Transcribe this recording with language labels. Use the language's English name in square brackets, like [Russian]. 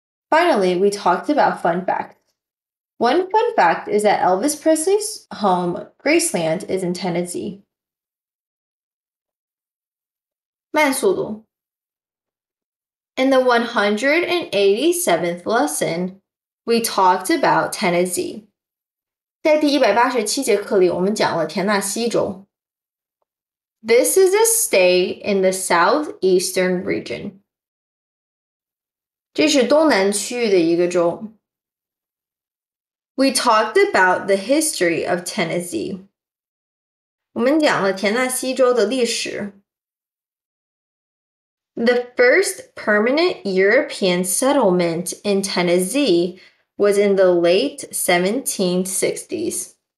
[English] Finally, we talked about fun facts. One fun fact is that Elvis Presley's home, Graceland, is in Tennessee. [Chinese] 慢速度. [English] In the 187th lesson, we talked about Tennessee. [Chinese] 在第187节课里，我们讲了田纳西州. [English] This is a state in the southeastern region. [Chinese] 这是东南区域的一个州. [English] We talked about the history of Tennessee. [Chinese] 我们讲了田纳西州的历史. [English] The first permanent European settlement in Tennessee was in the late 1760s.